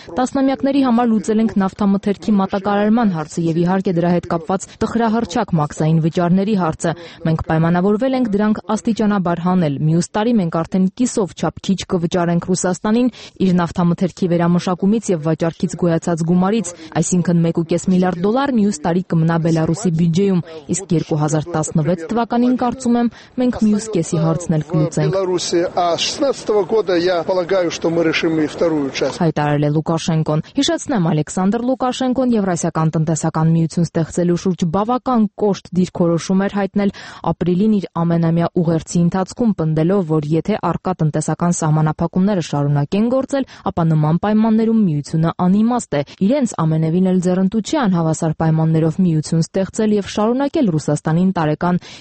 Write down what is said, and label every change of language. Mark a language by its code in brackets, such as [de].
[hy] տասնամյակների համար լուծել ենք նավթամթերքի մատակարարման հարցը եւ իհարկե դրա հետ կապված տխրահռչակ մաքսային վճարների հարցը։ Մենք պայմանավորվել ենք դրանք աստիճանաբար հանել։ Մյուս տարի մենք արդեն կիսով չափ քիչ կվճարենք Ռուսաստանին իր նավթամթերքի վերամշակումից եւ վաճառքից գոյացած գումարից, այսինքն 1.5 միլիարդ դոլար մյուս տարի կմնա Բելարուսի բյուջեում, իսկ 2016 թվականին կարծում եմ մենք մյուս կեսի հարցն էլ կլուծենք։ [ru] Բելարուսի 16-го года я полагаю, что мы решим и вторую часть։ [hy] Հայտարարել է Լուկաշենկոն։ Հիշեցնեմ, Ալեքսանդր Լուկաշենկոն Եվրասիական տնտեսական միություն ստեղծելու շուրջ բավական կոշտ դիրքորոշում էր հայտնել ապրիլին իր ամենամյա ուղերձի ընթացքում, պնդելով, որ եթե արկա տնտեսական սահմանափակումները շարունակեն գործել, ապա նման պայմաններում միությունը անիմաստ է։ Իրենց ամենևին էլ ձեռնտուցիան հավասար պայմաններով միություն ստեղծել եւ շարունակել Ռուսաստանին տարեկան